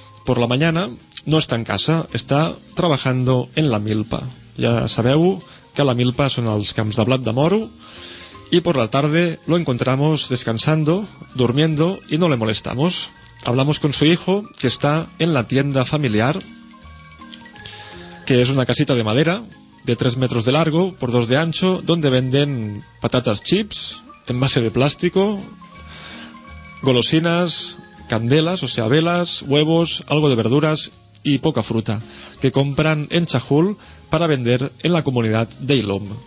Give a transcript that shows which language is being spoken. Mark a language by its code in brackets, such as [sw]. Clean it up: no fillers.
[es] Por la mañana no está en casa, está trabajando en la milpa. [ca] Ya sabeu que la milpa son els camps de blat de moro. [es] Y por la tarde lo encontramos descansando, durmiendo y no le molestamos. Hablamos con su hijo, que está en la tienda familiar, que es una casita de madera de 3 metros de largo por 2 de ancho, donde venden patatas chips, envase de plástico, golosinas, candelas, o sea, velas, huevos, algo de verduras y poca fruta, que compran en Chajul para vender en la comunidad de Ilom.